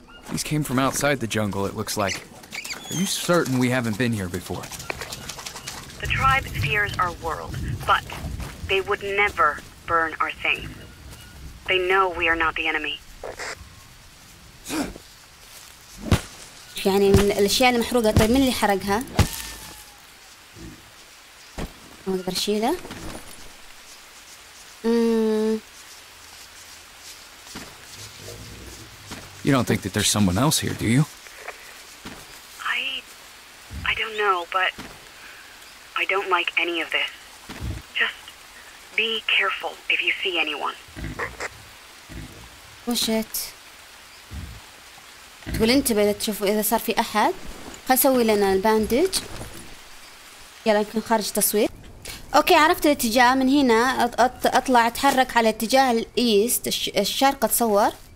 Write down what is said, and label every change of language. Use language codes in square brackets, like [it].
[en] These came from outside the jungle. It looks like. Are you certain we haven't been here before? The tribe fears our world, but they would never burn our thing. They know we are not the enemy. [ar] يعني من الأشياء المحروقة. طيب من اللي حرقها؟ ما أقدر أشيله. [en] You don't think that there's someone else here, do you? I don't know, but I don't like any of this. Just be careful if you see anyone. وشت. [ar] تقول انتبه اذا تشوفوا اذا صار في احد. خل نسوي لنا الباندج. يا يلا يمكن خارج تصوير. اوكي عرفت الاتجاه من هنا. اطلع اتحرك على اتجاه الايست الشرق اتصور.